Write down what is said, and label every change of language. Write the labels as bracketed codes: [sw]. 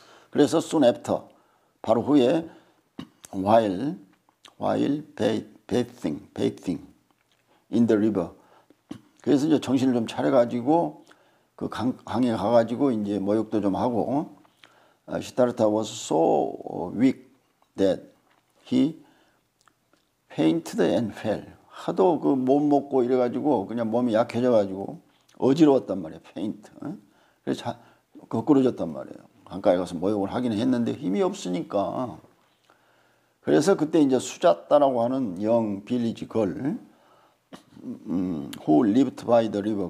[ko] 그래서 [en] soon after, [ko] 바로 후에 [en] while bathing in the river. [ko] 그래서 이제 정신을 좀 차려가지고 그 강에 가가지고 이제 목욕도 좀 하고. [en] Siddhartha was so weak that he fainted and fell. [ko] 하도 그못 먹고 이래가지고 그냥 몸이 약해져가지고 어지러웠단 말이에요. 페인트. 그래서 거꾸러졌단 말이에요. 강가에 가서 목욕을 하기는 했는데 힘이 없으니까. 그래서 그때 이제 수잣다라고 하는 영 빌리지 걸, [en] who lived by the river.